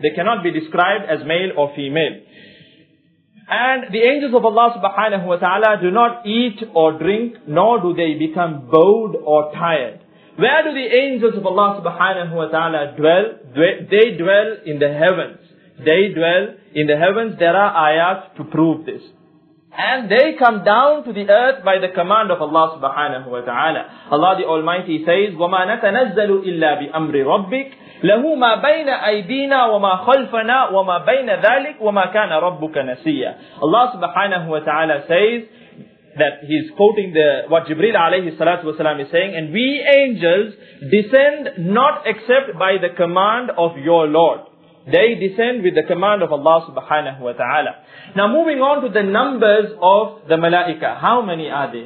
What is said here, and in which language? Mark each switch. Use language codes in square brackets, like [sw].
[en] They cannot be described as male or female. And the angels of Allah subhanahu wa ta'ala do not eat or drink, nor do they become bowed or tired. Where do the angels of Allah subhanahu wa ta'ala dwell? They dwell in the heavens. They dwell in the heavens. There are ayat to prove this. And they come down to the earth by the command of Allah subhanahu wa ta'ala. Allah the Almighty says, [ar] وَمَا نَتَنَزَّلُ إِلَّا بِأَمْرِ رَبِّكَ لَهُ مَا بَيْنَ أَيْدِينَا وَمَا خَلْفَنَا وَمَا بَيْنَ ذَلِكَ وَمَا كَانَ رَبُّكَ نَسِيًّا. [en] Allah subhanahu wa ta'ala says, that he's quoting the what Jibreel alayhi salatu wasalam is saying, and we angels descend not except by the command of your Lord. They descend with the command of Allah subhanahu wa ta'ala. Now moving on to the numbers of the malaika. How many are they?